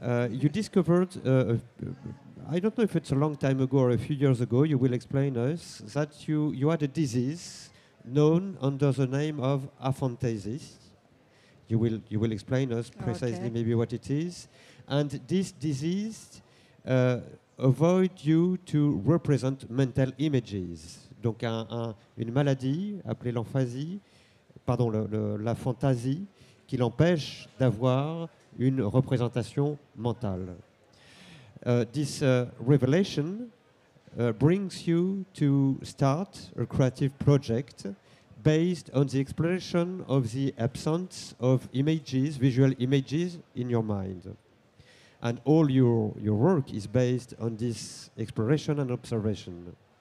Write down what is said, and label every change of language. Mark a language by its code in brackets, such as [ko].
[en] You discovered, I don't know if it's a long time ago or a few years ago, you will explain us, that you had a disease known under the name of aphantasis. You will explain us precisely maybe what it is. And this disease avoid you to represent mental images. [fr] Donc une maladie appelée la fantasie qui l'empêche d'avoir une représentation mentale. [en] This revelation brings you to start a creative project based on the exploration of the absence of images, visual images, in your mind. And all your work is based on this exploration and observation.